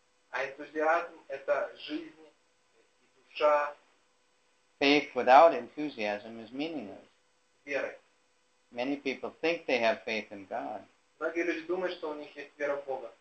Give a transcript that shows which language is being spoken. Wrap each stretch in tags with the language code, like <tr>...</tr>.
<ru>А энтузиазм – это жизнь и душа.</ru> <en>Faith without enthusiasm is meaningless.</en> <ru>Вера.</ru> <en>Many people think they have faith in God.</en> <ru>Многие люди думают, что у них есть вера в Бога.</ru>